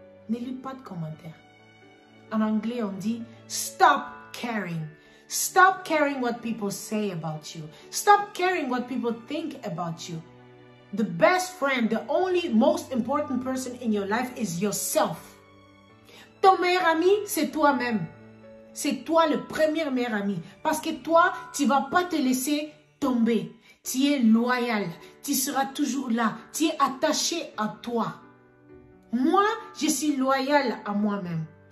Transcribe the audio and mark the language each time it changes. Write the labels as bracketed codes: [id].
[fr] Ne lis pas de commentaires. En anglais, on dit « stop caring ». [en] Stop caring what people say about you. Stop caring what people think about you. The best friend, the only most important person in your life is yourself. [fr] Ton meilleur ami, c'est toi-même. C'est toi le premier meilleur ami. Parce que toi, tu ne vas pas te laisser tomber. Tu es loyal. Tu seras toujours là. Tu es attaché à toi. Moi, je suis loyal à moi-même.